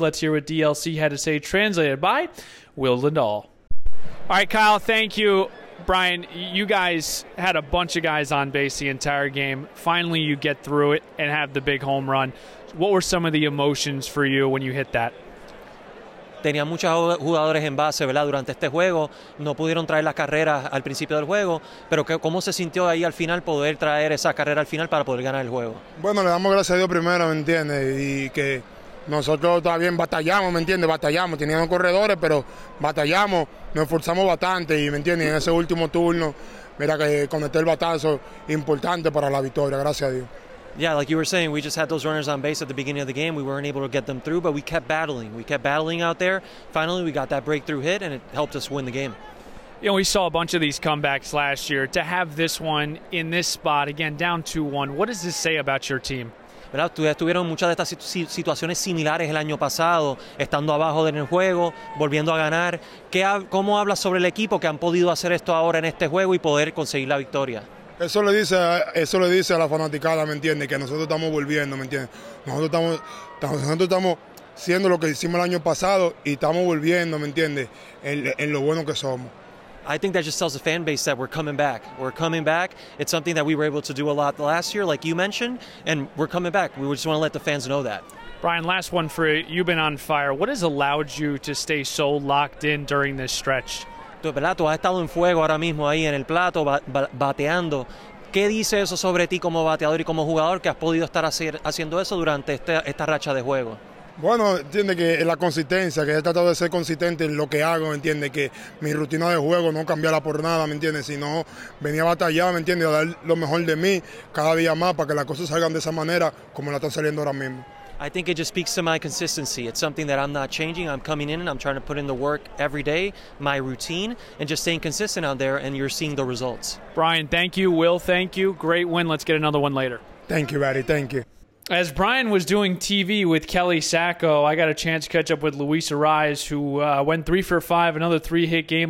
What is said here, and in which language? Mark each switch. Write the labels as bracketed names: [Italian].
[English] Let's hear what DLC had to say, translated by Will Lindahl. All right, Kyle, thank you. Brian, you guys had a bunch of guys on base the entire game. Finally, you get through it and have the big home run. What were some of the emotions for you when you hit that? [Spanish] Tenía muchos jugadores en base, ¿verdad? Durante este juego no pudieron traer las carreras al principio del juego, pero ¿cómo se sintió ahí al final poder traer esa carrera al final para poder ganar el juego? Bueno, le damos gracias a Dios primero, ¿me entiendes? Y que nosotros también batallamos, ¿me entiendes? Batallamos, teníamos corredores, pero batallamos, nos esforzamos bastante y, ¿me entiendes? En ese último turno, mira que conecté el batazo importante para la victoria, gracias a Dios. [English] Yeah, like you were saying, we just had those runners on base at the beginning of the game. We weren't able to get them through, but we kept battling. We kept battling out there. Finally, we got that breakthrough hit, and it helped us win the game. You know, we saw a bunch of these comebacks last year. To have this one in this spot, again, down 2-1, what does this say about your team? [Spanish] ¿Verdad? Tuvieron muchas de estas situaciones similares el año pasado, estando abajo en el juego, volviendo a ganar. ¿Cómo hablas sobre el equipo que han podido hacer esto ahora en este juego y poder conseguir la victoria? Eso le dice a la fanaticada, ¿me entiendes? Que nosotros estamos volviendo, ¿me entiendes? Nosotros estamos siendo lo que hicimos el año pasado y estamos volviendo, ¿me entiendes? En lo bueno que somos. [English] I think that just tells the fan base that we're coming back. We're coming back. It's something that we were able to do a lot last year, like you mentioned, and we're coming back. We just want to let the fans know that. Brian, last one for you. You've been on fire. What has allowed you to stay so locked in during this stretch? [Spanish] ¿Verdad? Tú has estado en fuego ahora mismo ahí en el plato, bateando. ¿Qué dice eso sobre ti como bateador y como jugador que has podido estar haciendo eso durante esta racha de juego? Bueno, entiende que la consistencia, que he tratado de ser consistente en lo que hago, entiende que mi rutina de juego no cambiara por nada, ¿me entiende? Sino venía a batallar, ¿me entiende? A dar lo mejor de mí cada día más para que las cosas salgan de esa manera como la están saliendo ahora mismo. [English] I think it just speaks to my consistency. It's something that I'm not changing. I'm coming in and I'm trying to put in the work every day, my routine, and just staying consistent out there, and you're seeing the results. Brian, thank you. Will, thank you. Great win. Let's get another one later. Thank you, Raddy. Thank you. As Brian was doing TV with Kelly Sacco, I got a chance to catch up with Luis Arraez, who went 3-for-5, another three-hit game.